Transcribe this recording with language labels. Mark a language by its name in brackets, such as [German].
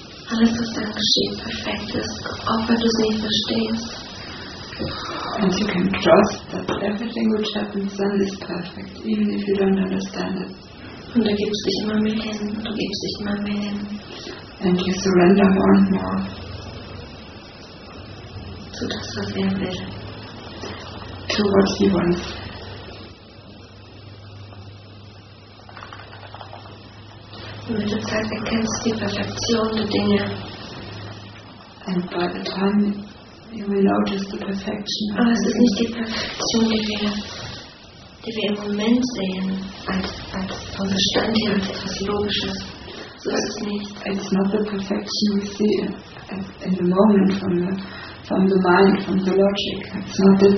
[German] Alles, was dann geschieht, perfekt ist, auch wenn du es nicht verstehst. [English] And you can trust that everything which happens then is perfect, even if you don't understand it. [German] Und du gibst dich immer mehr hin, du gibst dich immer mehr hin. [English] And you surrender more and more. [German] Zu das, was er will. [English] To what he wants. [German] Mit der Zeit erkennst du die Perfektion der Dinge. [English] And by the time you will notice the perfection. [German] Aber es ist nicht die Perfektion, die wir im Moment sehen, als unser Stand hier, als etwas Logisches. So ist es nicht. [English] It's not the perfection we see in the moment from the mind, from the logic.